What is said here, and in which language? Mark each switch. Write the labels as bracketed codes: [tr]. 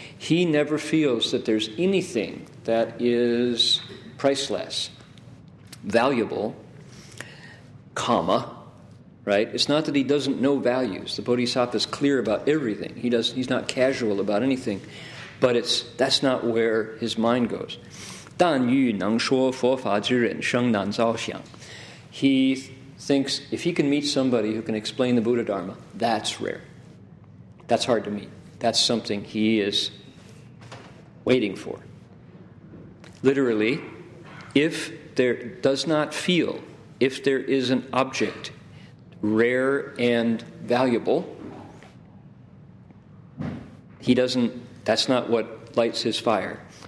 [en] He never feels that there's anything that is priceless, valuable, comma, right? It's not that he doesn't know values. The Bodhisattva is clear about everything. He's not casual about anything, but that's not where his mind goes. [zh] 但欲能说佛法之人生难遭想. [en] He thinks if he can meet somebody who can explain the Buddha Dharma, that's rare. That's hard to meet. That's something he is waiting for. Literally, if there does not feel, if there is an object rare and valuable, he doesn't, that's not what lights his fire.